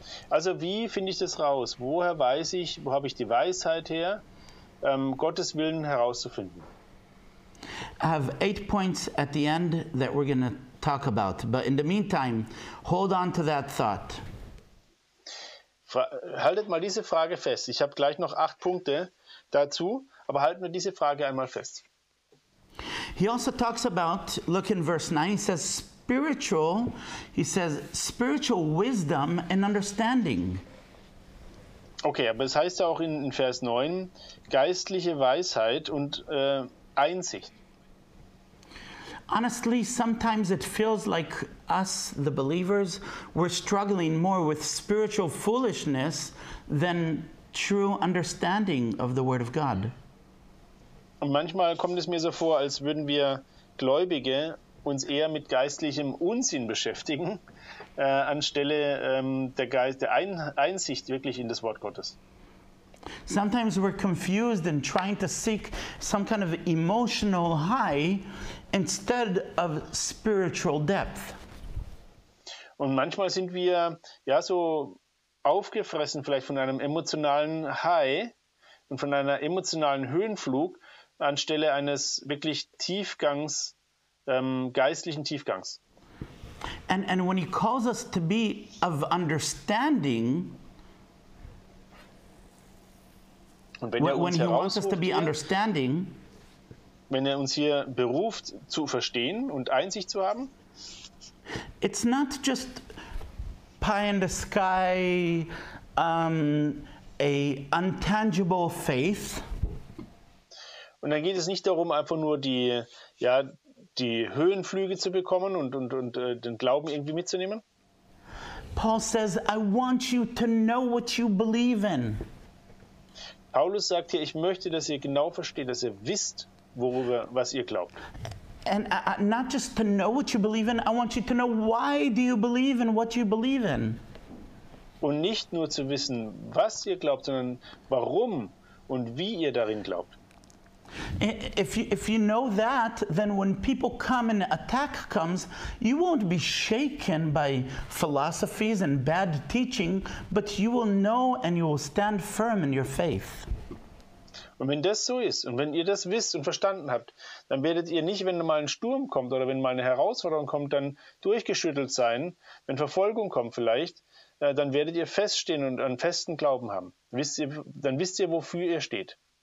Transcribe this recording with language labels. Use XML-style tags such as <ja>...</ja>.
<de>Also wie finde ich das raus? Woher weiß ich, wo habe ich die Weisheit her, Gottes Willen herauszufinden?</de> <en>I have 8 points at the end that we're going to talk about. But in the meantime, hold on to that thought.</en> <de>Haltet mal diese Frage fest. Ich habe gleich noch 8 Punkte dazu. Aber halten wir diese Frage einmal fest.</de> <en>He also talks about, look in verse 9, he says spiritual, spiritual wisdom and understanding.</en> <de>Okay, aber es heißt auch in Vers 9, geistliche Weisheit und Einsicht.</de> <en>Honestly, sometimes it feels like us, the believers, we're struggling more with spiritual foolishness than true understanding of the Word of God.</en> <de>Und manchmal kommt es mir so vor, als würden wir Gläubige uns eher mit geistlichem Unsinn beschäftigen, anstelle der Einsicht wirklich in das Wort Gottes.</de> <en>Sometimes we're confused and trying to seek some kind of emotional high instead of spiritual depth.</en> <de>Und manchmal sind wir ja so aufgefressen vielleicht von einem emotionalen High und von einer emotionalen Höhenflug anstelle eines wirklich Tiefgangs, geistlichen Tiefgangs.</de> <en>And when he calls us to be of understanding, when he wants us to be understanding,</en> <de>wenn er uns hier beruft zu verstehen und Einsicht zu haben,</de> <en>it's not just pie in the sky, a untangible faith.</en> <de>Und dann geht es nicht darum, einfach nur die Höhenflüge zu bekommen und den Glauben irgendwie mitzunehmen.</de> <en>Paul says, I want you to know what you believe in.</en> <de>Paulus sagt hier, ich möchte, dass ihr genau versteht, dass ihr wisst, worüber, was ihr glaubt.</de> <en>And not just to know what you believe in, I want you to know why do you believe in what you believe in.</en> <de>Und nicht nur zu wissen, was ihr glaubt, sondern warum und wie ihr darin glaubt.</de> <en>If you know that, then when people come and attack comes, you won't be shaken by philosophies and bad teaching, but you will know and you will stand firm in your faith.</en> <de>Und wenn das so ist und wenn ihr das wisst und verstanden habt, dann werdet ihr nicht, wenn mal ein Sturm kommt oder wenn mal eine Herausforderung kommt, dann durchgeschüttelt sein, wenn Verfolgung kommt vielleicht, dann werdet ihr feststehen und einen festen Glauben haben. Dann wisst ihr, wofür ihr steht.</de>